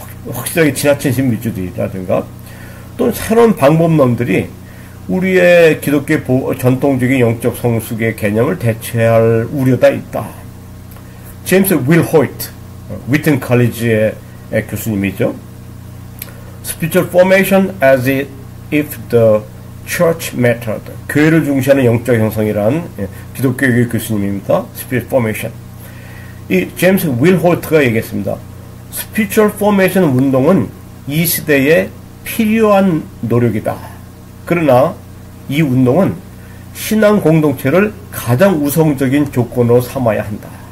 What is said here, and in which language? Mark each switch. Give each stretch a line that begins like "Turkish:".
Korean: 확실하게 지나친 신비주들이라든가, 또 새로운 방법론들이 우리의 기독교 전통적인 영적 성숙의 개념을 대체할 우려가 있다. 제임스 윌 호이트, 위튼 칼리지의 교수님이죠.
English: Spiritual formation as if the church mattered.
Korean: 교회를 중시하는 영적 형성이란 기독교의 교수님입니다.
English: Spiritual formation.
Korean: 이 제임스 윌 호이트가 얘기했습니다. Spiritual formation 운동은 이 시대에 필요한 노력이다. 그러나 이 운동은 신앙 공동체를 가장 우선적인 조건으로 삼아야 한다.